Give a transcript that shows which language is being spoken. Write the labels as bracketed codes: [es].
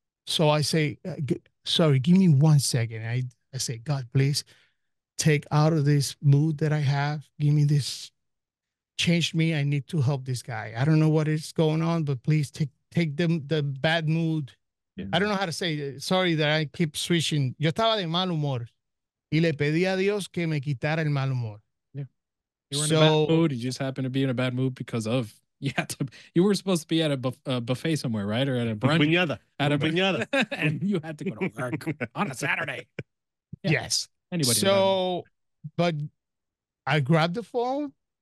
[en] So I say, sorry, give me 1 second. I say, God, please take out of this mood that I have. Give me this. Changed me. I need to help this guy. I don't know what is going on, but please take the bad mood. Yeah. I don't know how to say it. Sorry that I keep switching. [es] Yo estaba de mal humor. Y le pedí a Dios que me quitara el mal humor. [en] Yeah. You were in a bad mood. You just happened to be in a bad mood because of. You were supposed to be at a buffet somewhere, right? Or at a brunch. Buñada. At a buñada. And you had to go to work on a Saturday. Yeah. Yes. Anybody. So, but I grabbed the phone.